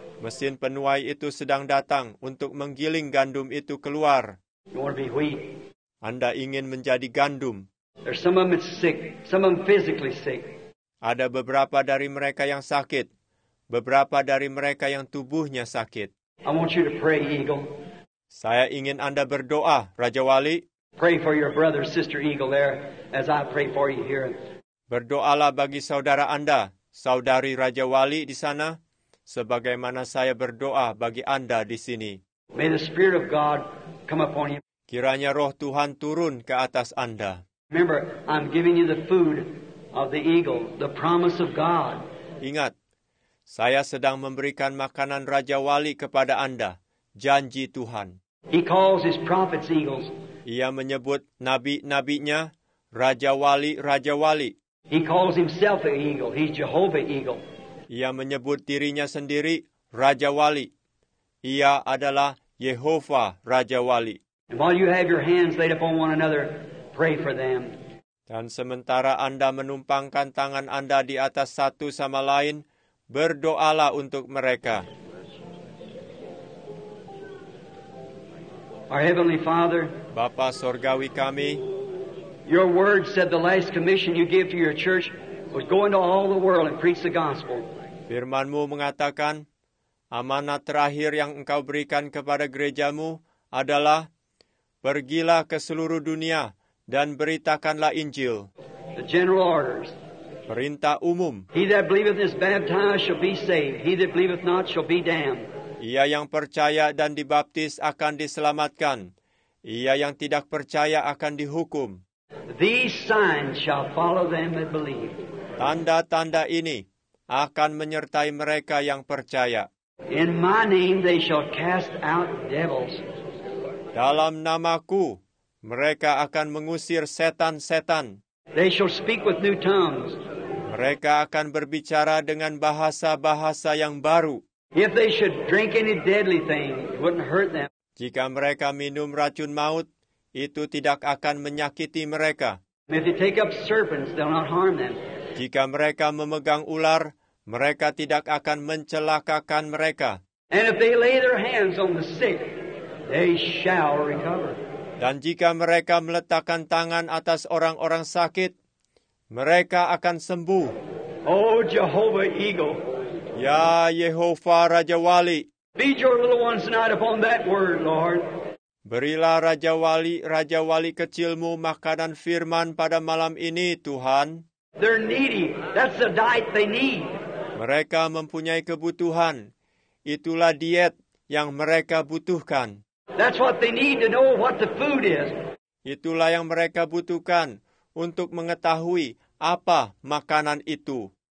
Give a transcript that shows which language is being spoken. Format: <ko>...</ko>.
<id>Mesin penuai itu sedang datang untuk menggiling gandum itu keluar.</id> <en>You want to be wheat.</en> <id>Anda ingin menjadi gandum.</id> <en>There's some of them sick, some of them physically sick.</en> <id>Ada beberapa dari mereka yang sakit. Beberapa dari mereka yang tubuhnya sakit.</id> <en>I want you to pray, Eagle.</en> <id>Saya ingin Anda berdoa, Raja Wali.</id> <en>Pray for your brother, sister Eagle there, as I pray for you here.</en> <id>Berdoalah bagi saudara Anda, saudari Raja Wali di sana, sebagaimana saya berdoa bagi Anda di sini.</id> <en>May the Spirit of God come upon you.</en> <id>Kiranya Roh Tuhan turun ke atas Anda.</id> <en>Remember, I'm giving you the food of the Eagle, the promise of God.</en> <id>Ingat. Saya sedang memberikan makanan Raja Wali kepada Anda, janji Tuhan.</id> <en>He calls his prophets eagles.</en> <id>Ia menyebut nabi-nabinya Raja Wali, Raja Wali.</id> <en>He calls himself an eagle. He's Jehovah eagle.</en> <id>Ia menyebut dirinya sendiri Raja Wali. Ia adalah Yehova Raja Wali.</id> <en>And while you have your hands laid upon one another, pray for them.</en> <id>Dan sementara Anda menumpangkan tangan Anda di atas satu sama lain, berdoalah untuk mereka.</id> <en>Our Heavenly Father,</en> <id>Bapa Sorgawi kami,</id> <en>your word said the last commission you gave to your church was go into all the world and preach the gospel.</en> <id>Firman-Mu mengatakan, amanat terakhir yang Engkau berikan kepada gerejamu adalah, pergilah ke seluruh dunia dan beritakanlah Injil.</id> <en>The general orders.</en> <id>Perintah umum.</id> <en>He that believeth is baptized shall be saved. He that believeth not shall be damned.</en> <id>Ia yang percaya dan dibaptis akan diselamatkan. Ia yang tidak percaya akan dihukum.</id> <en>These signs shall follow them that believe.</en> <id>Tanda-tanda ini akan menyertai mereka yang percaya.</id> <en>In my name they shall cast out devils.</en> <id>Dalam namaku, mereka akan mengusir setan-setan.</id> <en>They shall speak with new tongues.</en> <id>Mereka akan berbicara dengan bahasa-bahasa yang baru.</id> <en>If they should drink any deadly thing, it wouldn't hurt them.</en> <id>Jika mereka minum racun maut, itu tidak akan menyakiti mereka.</id> <en>If they take up serpents, they'll not harm them.</en> <id>Jika mereka memegang ular, mereka tidak akan mencelakakan mereka.</id> <en>And if they lay their hands on the sick, they shall recover.</en> <id>Dan jika mereka meletakkan tangan atas orang-orang sakit, mereka akan sembuh.</id> <en>Oh Jehovah Eagle.</en> <id>Ya Yehovah Raja Wali.</id> <en>Feed your little ones tonight upon that word, Lord.</en> <id>Berilah Raja Wali kecilmu makanan firman pada malam ini, Tuhan.</id> <en>They're needy. That's the diet they need.</en> <id>Mereka mempunyai kebutuhan. Itulah diet yang mereka butuhkan.</id> <en>That's what they need to know what the food is.</en> <id>Itulah yang mereka butuhkan untuk mengetahui apa makanan itu.</id>